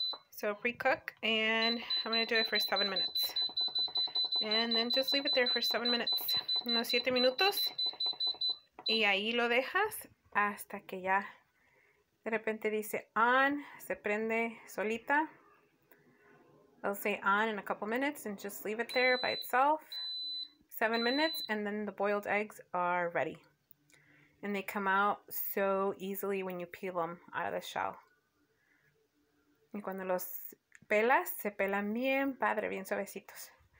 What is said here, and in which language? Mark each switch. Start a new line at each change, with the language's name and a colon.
English: So pre-cook, and I'm going to do it for 7 minutes. And then just leave it there for 7 minutes.
Spanish: Unos 7 minutos. Y ahí lo dejas hasta que ya de repente dice on. Se prende solita.
English: It'll say on in a couple minutes and just leave it there by itself. 7 minutes, and then the boiled eggs are ready. And they come out so easily when you peel them out of the shell.
Spanish: Y cuando los pelas, se pelan bien padre, bien suavecitos.